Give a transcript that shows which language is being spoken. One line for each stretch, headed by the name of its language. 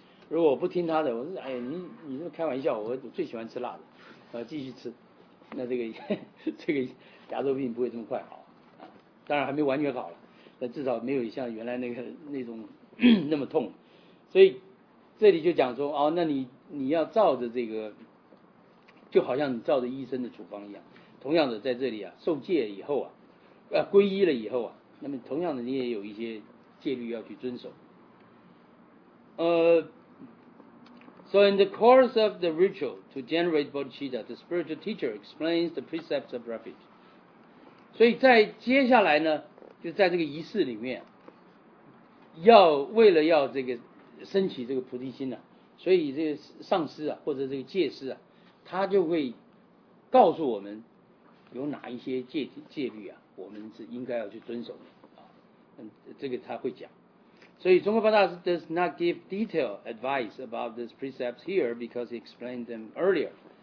Chinese: 如果我不听他的，我说哎呀，你这开玩笑，我最喜欢吃辣的，继续吃，那这个牙周病不会这么快好、啊、当然还没完全好了，那至少没有像原来那种那么痛。所以这里就讲说哦，那你要照着这个，就好像你照着医生的处方一样，同样的在这里啊，受戒以后啊，皈依了以后啊，那么同样的你也有一些戒律要去遵守。
English: So in the course of the ritual to generate bodhicitta, the spiritual teacher explains the precepts of refuge.
Chinese: 所以在接下来呢，就在这个仪式里面，要为了要这个升起这个菩提心呢、啊，所以这个上师啊，或者这个戒师啊，他就会告诉我们有哪一些戒律啊，我们是应该要去遵守的啊。这个他会讲。所以中国巴大师
English: does not give detailed advice about these precepts here because he explained them earlier.